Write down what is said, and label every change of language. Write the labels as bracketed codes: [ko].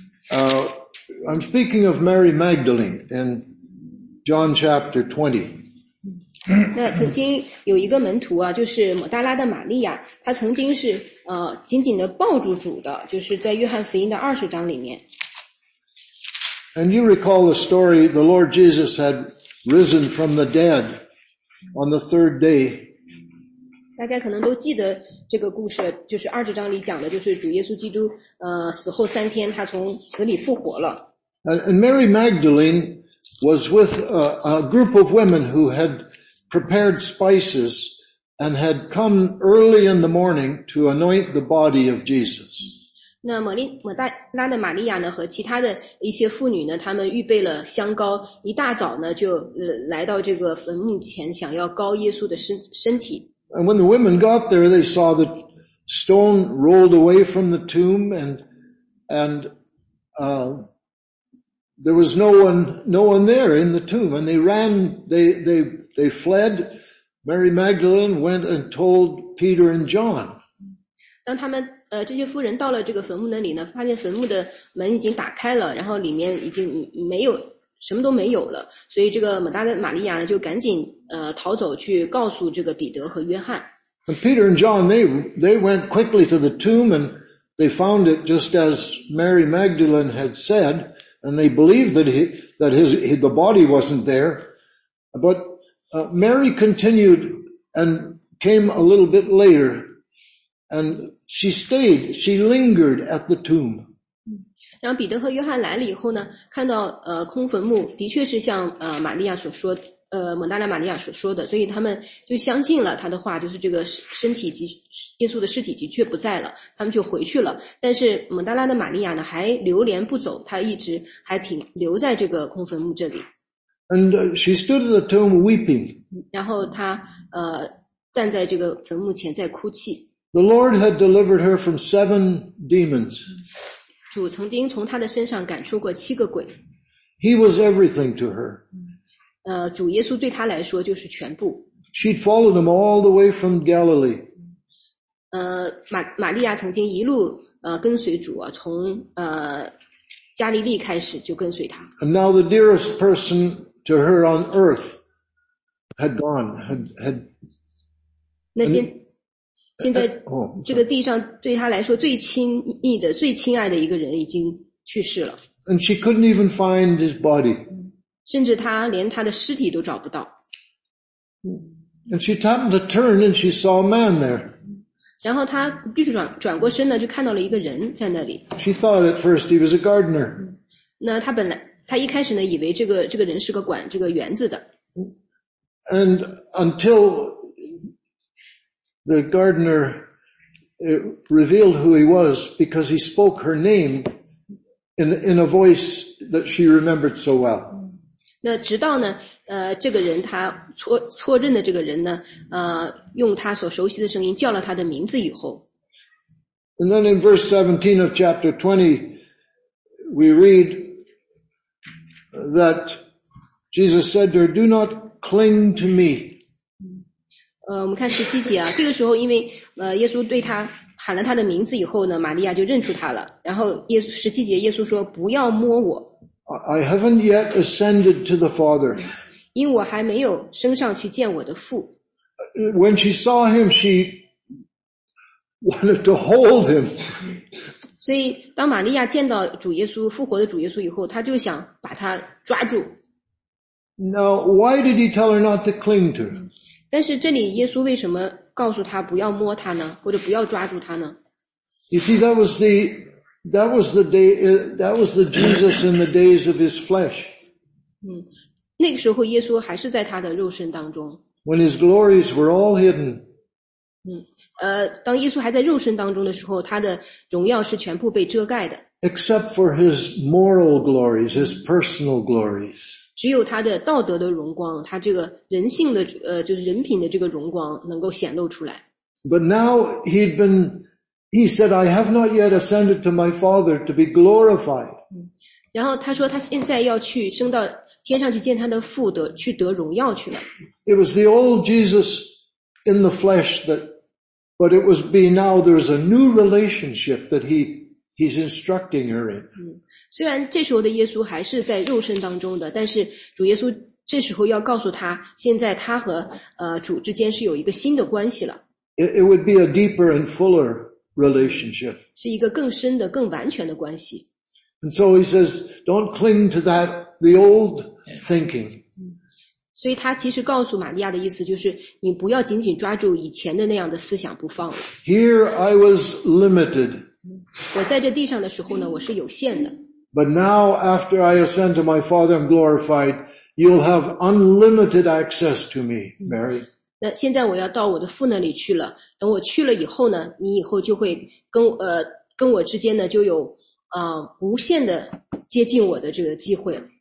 [en] I'm speaking of Mary Magdalene in John chapter 20. [zh] 那曾经有一个门徒啊，就是抹大拉的玛利亚，他曾经是紧紧的抱住主的，就是在约翰福音的二十章里面。 [en] And you recall the story, the Lord Jesus had risen from the dead on the third day. [zh] 大家可能都记得这个故事，就是二十章里讲的，就是主耶稣基督死后三天，他从死里复活了。 [en] And Mary Magdalene was with a group of women who had prepared spices and had come early in the morning to anoint the body of Jesus. [zh] 那抹大拉的玛利亚呢和其他的一些妇女呢她们预备了香膏一大早呢就来到这个坟墓前想要膏耶稣的身体。 [en] And when the women got there, they saw the stone rolled away from the tomb and there was no one there in the tomb, and they fled. Mary Magdalene went and told Peter and John. [zh] 当他们这些妇人到了这个坟墓那里呢，发现坟墓的门已经打开了，然后里面已经没有什么都没有了，所以这个抹大拉玛利亚呢就赶紧逃走去告诉这个彼得和约翰。 [en] And Peter and John they went quickly to the tomb and they found it just as Mary Magdalene had said. And they believed that the body wasn't there. But Mary continued and came a little bit later. And she stayed, she lingered at the tomb. [zh] 然后彼得和约翰来了以后呢看到空坟墓的确是像玛利亚所说抹大拉玛利亚所说的所以他们就相信了他的话就是这个身体及耶稣的尸体的确不在了他们就回去了但是抹大拉的玛利亚呢还流连不走他一直还停留在这个空坟墓这里 [en] And she stood at the tomb weeping [zh] 然后他站在这个坟墓前在哭泣 [en] The Lord had delivered her from 7 demons [zh] 主曾经从他的身上赶出过七个鬼 [en] He was everything to her [zh] 主耶稣对他来说就是全部。 [en] She'd followed him all the way from Galilee. [zh] 玛利亚曾经一路跟随主啊，从加利利开始就跟随他。 [en] And now the dearest person to her on earth had gone. Had [zh] 那些现在这个地上对他来说最亲密的、最亲爱的一个人已经去世了。 [en] And she couldn't even find his body. [zh] 甚至他连他的尸体都找不到。 [en] And she happened to turn and she saw a man there. [zh] 然后他就是转过身呢就看到了一个人在那里。 [en] She thought at first he was a gardener. [zh] 那他本来他一开始呢以为这个人是个管这个园子的。 [en] And until the gardener revealed who he was because he spoke her name in a voice that she remembered so well. [zh] 那直到呢这个人他错认的这个人呢用他所熟悉的声音叫了他的名字以后。 [en] And then in verse 17 of chapter 20, we read that Jesus said to her, do not cling to me. [zh] 我们看十七节啊这个时候因为耶稣对他喊了他的名字以后呢玛利亚就认出他了。然后十七节耶稣说不要摸我。 [en] I haven't yet ascended to the Father. [zh] 因我还没有升上去见我的父。 [en] When she saw him, she wanted to hold him. [zh] 所以当玛利亚见到主耶稣复活的主耶稣以后，她就想把他抓住。 [en] Now, why did he tell her not to cling to him? [zh] 但是这里耶稣为什么告诉她不要摸他呢，或者不要抓住他呢？ [en] You see, that was the Jesus in the days of his flesh. [zh] 那个时候耶稣还是在他的肉身当中。 [en] When his glories were all hidden. [zh] 当耶稣还在肉身当中的时候他的荣耀是全部被遮盖的。 [en] Except for his moral glories, his personal glories. [zh] 只有他的道德的荣光他这个人性的就是人品的这个荣光能够显露出来。 [en] But now he said, I have not yet ascended to my Father to be glorified. [zh] 然后他说他现在要去升到天上去见他的父，得去得荣耀去了。 [en] It was the old Jesus in the flesh that, but it was be now there's a new relationship that he's instructing her in. [zh] 虽然这时候的耶稣还是在肉身当中的，但是主耶稣这时候要告诉他，现在他和主之间是有一个新的关系了。 [en] It would be a deeper and fuller relationship. [zh] 是一个更深的、更完全的关系。 [en] And so he says, don't cling to that, the old thinking. [zh] 所以他其实告诉玛利亚的意思就是，你不要紧紧抓住以前的那样的思想不放了。 [en] Here I was limited. [zh] 我在这地上的时候呢，我是有限的。 [en] But now, after I ascend to my Father and glorified, you'll have unlimited access to me, Mary. [zh] 那现在我要到我的父那里去了，等我去了以后呢，你以后就会跟我之间呢就有无限的接近我的这个机会。